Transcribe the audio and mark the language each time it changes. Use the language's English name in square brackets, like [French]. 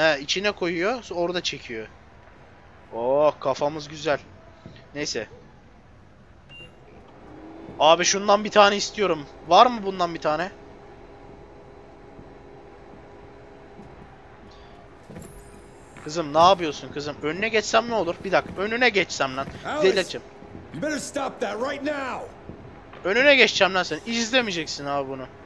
[Turkish] İçine koyuyor. Orada çekiyor. Oo kafamız güzel. Neyse. Abi şundan bir tane istiyorum. Var mı bundan bir tane? Kızım ne yapıyorsun kızım? Önüne geçsem ne olur? Bir dakika. Önüne geçsem lan. Delicim. [English] You better stop that right now. [Turkish] Önüne geçeceğim lan sen. İzlemeyeceksin abi bunu.